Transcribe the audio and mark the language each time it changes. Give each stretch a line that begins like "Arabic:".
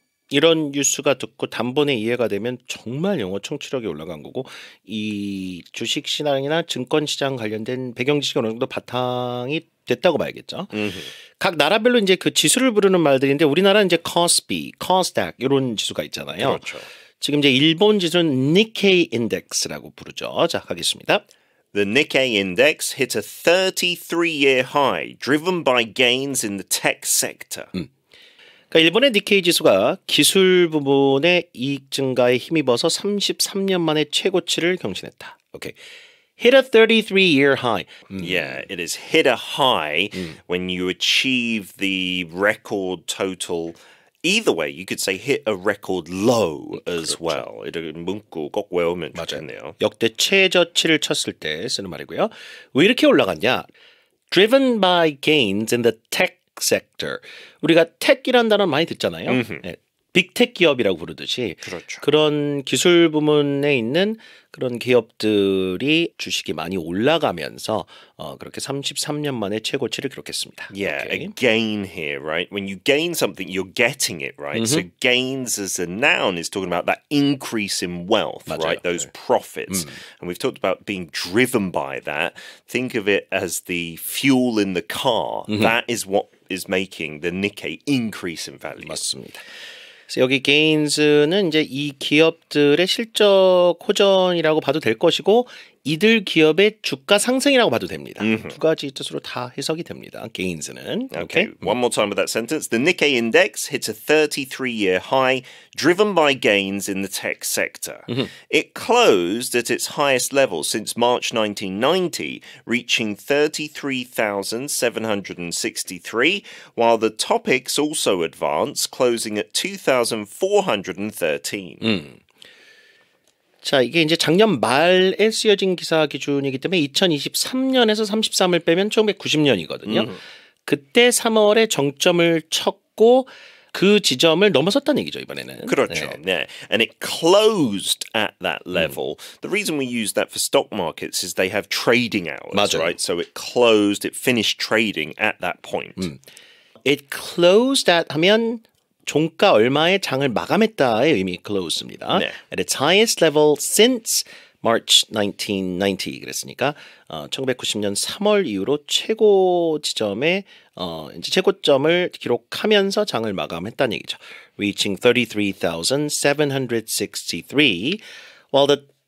Korean: 이런 뉴스가 듣고 단번에 이해가 되면 정말 영어 청취력이 올라간 거고 이 주식 시장이나 증권 시장 관련된 배경 지식이 어느 정도 바탕이 됐다고 봐야겠죠. Mm-hmm. 각 나라별로 이제 그 지수를 부르는 말들인데 우리나라는 이제 코스피, 코스닥 이런 지수가 있잖아요. 그렇죠. 지금 이제 일본 지수는 니케이 인덱스라고 부르죠. 자, 가겠습니다.
English: The Nikkei index hit a 33-year high, driven by gains in the tech sector.
Korean: 그러니까 일본의 니케이 지수가 기술 부문의 이익 증가에 힘입어서 33년 만에 최고치를 경신했다.
English: Okay. Hit a 33-year high. Yeah, it is hit a high when you achieve the record total. Either way, you could say hit a record low as
Korean: 그렇죠.
English: well.
Korean: 이렇게 문구 꼭 외우면 좋겠네요. 역대 최저치를 쳤을 때 쓰는 말이고요. 왜 이렇게 올라갔냐?
English: Driven by gains in the tech sector.
Korean: 우리가 tech이라는 단어 많이 듣잖아요. 네. 빅테크 기업이라고 부르듯이 그렇죠. 그런 기술 부문에 있는 그런 기업들이 주식이 많이 올라가면서 그렇게 33년 만에 최고치를 기록했습니다.
English: Yeah, okay. a gain here, right? When you gain something, you're getting it, right? Mm-hmm. So gains as a noun is talking about that increase in wealth,
Korean: 맞아요.
English: right? Those
Korean: 네.
English: profits. And we've talked about being driven by that. Think of it as the fuel in the car. Mm-hmm. That is what is making the Nikkei increase in value.
Korean: 맞습니다. 여기 게인즈는 이제 이 기업들의 실적 호전이라고 봐도 될 것이고 이들 기업의 주가 상승이라고 봐도 됩니다. Mm-hmm. 두 가지 뜻으로 다 해석이 됩니다. 게인즈는.
English: Okay. okay. One more time with that sentence. The Nikkei index hits a 33-year high driven by gains in the tech sector. Mm-hmm. It closed at its highest level since March 1990, reaching 33,763, while the topics also advanced, closing at 2,413.
Korean: 자, 이게 이제 작년 말에 쓰여진 기사 기준이기 때문에 2023년에서 33을 빼면 1990년이거든요. 그때 3월에 정점을 쳤고 그 지점을 넘어섰다는 얘기죠, 이번에는. 그렇죠. 네. 네.
English: And it closed at that level. The reason we use that for stock markets is they have trading hours,
Korean: 맞아요.
English: right? So it closed, it finished trading at that point. It closed at
Korean: 하면 종가 얼마에 장을 마감했다의 의미 close입니다. 네.
English: At its highest level since March 1990
Korean: 그랬으니까 1990년 3월 이후로 최고 지점에 이제 최고점을 기록하면서 장을 마감했다는 얘기죠.
English: Reaching 33,763 while the